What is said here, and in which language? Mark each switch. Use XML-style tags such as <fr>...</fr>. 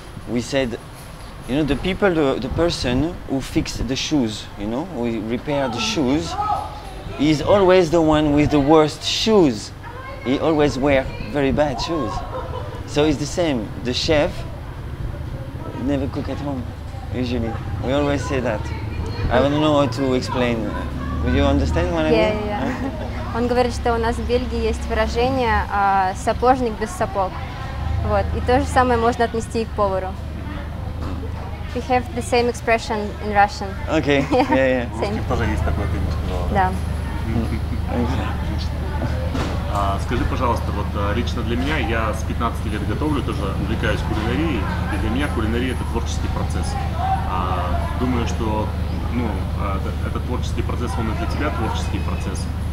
<en>We said, you know, the person who fix the shoes, you know, who repair the shoes, is always the one with the worst shoes. He always wear very bad shoes. So it's the same. The chef never cook at home, usually. We always say that. I don't know how to explain. Would you understand what I mean? Yeah, yeah.</en> <ru>Он говорит, что у нас в Бельгии есть выражение «сапожник без сапог». Вот. И то же самое можно отнести и к повару.</ru> <en>We have the same expression in Russian. Okay, yeah. Same.</en> <ru>У тоже есть такое, конечно. Да. Скажи, пожалуйста, вот лично для меня, я с 15 лет готовлю, тоже увлекаюсь кулинарией, и для меня кулинария – это творческий процесс. Думаю, что ну, этот творческий процесс, он и для тебя творческий процесс.</ru>